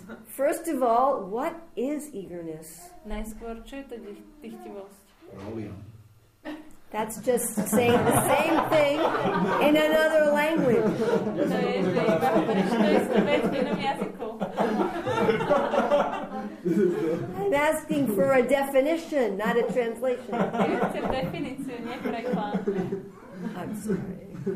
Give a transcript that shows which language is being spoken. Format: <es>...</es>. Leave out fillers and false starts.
<en>First of all, what is eagerness?</en> <sk>Najskôr, čo je to dychtivosť?</sk> <en>That's just saying the same thing in another language.</en> <sk>To je to iba, to je to vec v inom jazyku.</sk> <en>I'm asking for a definition, not a translation. I'm sorry.</en>